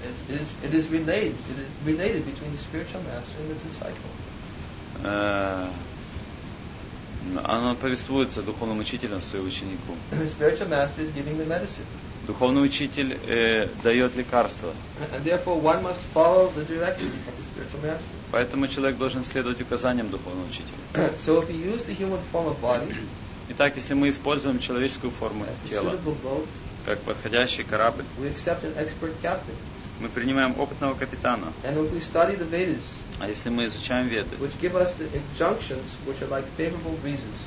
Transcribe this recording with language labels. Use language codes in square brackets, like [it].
[en] It is related between the spiritual master and the disciple. [ru] Оно повествуется духовным учителем своему ученику. [en] The spiritual master is giving the medicine. [ru] Духовный учитель дает лекарство. [en] And therefore one must follow the direction of the spiritual master. [ru] Поэтому человек должен следовать указаниям духовного учителя. [en] So if you use the human form of body. [ru] Итак, если мы используем человеческую форму тела, как подходящий корабль, [en] we accept an expert captain. [ru] Мы принимаем опытного капитана. [en] And if we study the Vedas, [ru] а если мы изучаем Веды, [en] which give us the injunctions, which are like favorable breezes,